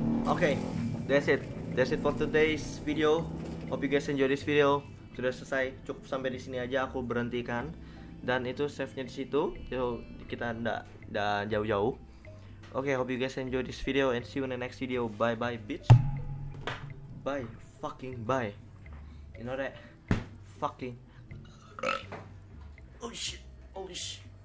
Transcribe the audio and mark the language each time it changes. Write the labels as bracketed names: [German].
[English] Okay, that's it, that's it for today's video. Hope you guys enjoy this video. [Indonesian] Sudah selesai, cukup sampai di sini aja aku berhentikan. Dan itu save-nya di situ. Jadi kita enggak jauh-jauh. [English] Oke, okay, hope you guys enjoy this video and see you in the next video. Bye bye bitch. Bye fucking bye. You know that fucking. Oh shit. Oh shit.